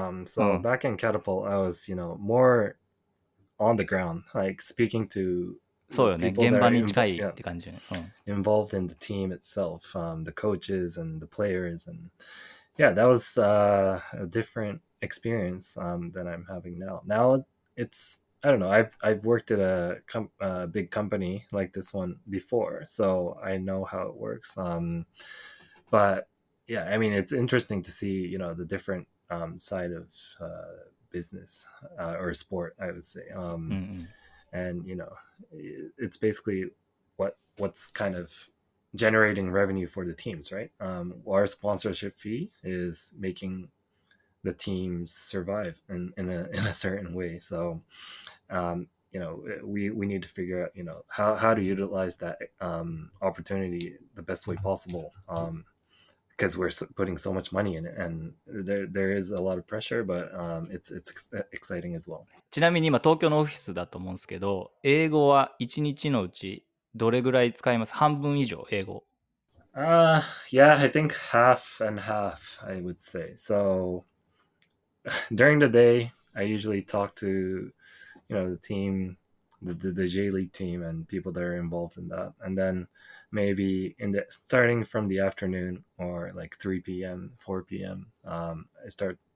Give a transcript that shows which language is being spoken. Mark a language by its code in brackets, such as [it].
[en] So back in Catapult, I was, you know, more on the ground, like speaking to [ja] そうよね、現場に近いって感じ。 [en] Involved in the team itself, the coaches and the players and. Yeah, that was a different experience than I'm having now. Now it's, I don't know, I've worked at a big company like this one before, so I know how it works. But yeah, I mean, it's interesting to see, you know, the different side of business or sport, I would say. And, you know, it's basically what's kind of... generating revenue for the teams, right? Our sponsorship fee is making the teams survive in a certain way. So, you know, we need to figure out, you know, how to utilize that opportunity the best way possible because we're putting so much money in it and there is a lot of pressure, but it's exciting as well. [ja] ちなみに今東京のオフィスだと思うんですけど、英語は1日のうちどれぐらい使います？半分以上英語。 [en] Yeah, I think half and half, I would say. So during the day, I usually talk to, you know, the team, the J League team and people that are involved in that. And then maybe starting from the afternoon or like 3 p.m., 4 p.m., I start,